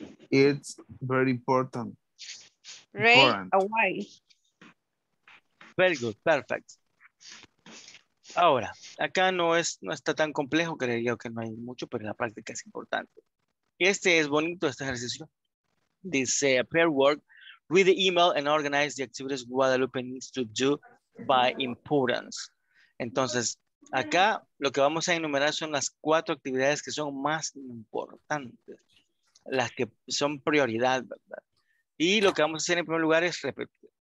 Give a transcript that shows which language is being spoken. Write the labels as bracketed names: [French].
[English] It's very important. Right away. Very good, perfect. [Spanish] Ahora, acá no está tan complejo, creería que no hay mucho, pero la práctica es importante. Este es bonito, este ejercicio. [English] Dice, pair work, read the email and organize the activities Guadalupe needs to do by importance. [Spanish] Entonces, acá lo que vamos a enumerar son las cuatro actividades que son más importantes, las que son prioridad, ¿verdad? Y lo que vamos a hacer en primer lugar es repetir.